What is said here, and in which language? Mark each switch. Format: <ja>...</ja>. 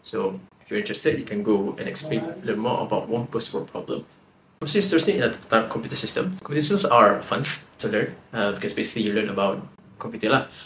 <en>So if you're interested, you can go and explain, learn more about wumpus world problem.</en> <ms>Kursus seterusnya adalah tentang computer system.</ms> <en>Computer systems are fun to learn because basically you learn about komputer lah.</en>